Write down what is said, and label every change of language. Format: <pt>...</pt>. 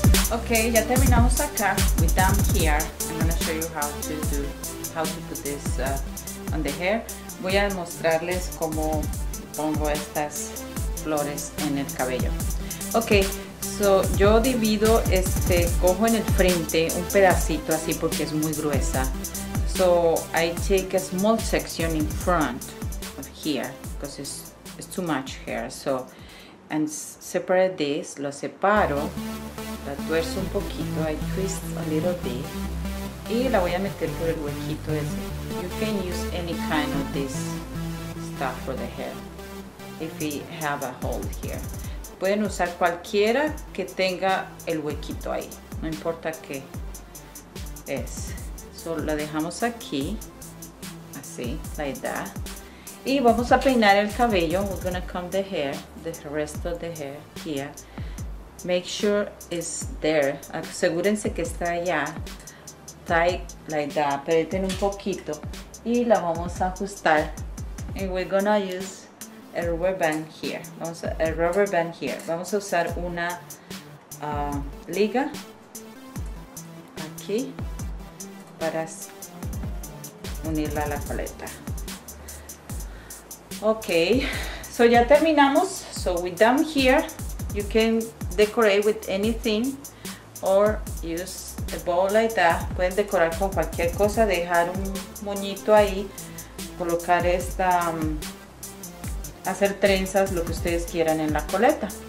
<en>Okay,</en> <es>ya terminamos acá.</es> <en>We're done here. I'm gonna show you how to put this on the hair.</en> <es>Voy a mostrarles cómo pongo estas flores en el cabello. Okay, so yo divido este, cojo en el frente un pedacito así porque es muy gruesa.</es> <en>So I take a small section in front of here because it's too much hair. So and separate this,</en> <es>lo separo. La tuerzo un poquito,</es> <en>I twist a little bit</en> <es>y la voy a meter por el huequito ese.</es> <en>You can use any kind of this stuff for the hair if we have a hole here.</en> <es>Pueden usar cualquiera que tenga el huequito ahí, no importa qué es. So, la dejamos aquí, así,</es> <en>like that.</en> <es>Y vamos a peinar el cabello.</es> <en>We're gonna comb the hair, the rest of the hair here. Make sure it's there.</en> <es>Asegúrense que está allá.</es> <en>Tight like that.</en> <es>Apreten un poquito. Y la vamos a ajustar.</es> <en>And we're gonna use a rubber band here.</en> <es>Vamos a usar una liga. Aquí. Para unirla a la paleta.</es> <en>Ok. So</en> <es>ya terminamos.</es> <en>So we're done here. You can decorate with anything or use a bow like that.</en> <es>Pueden decorar con cualquier cosa, dejar un moñito ahí, colocar esta, hacer trenzas, lo que ustedes quieran en la coleta.</es>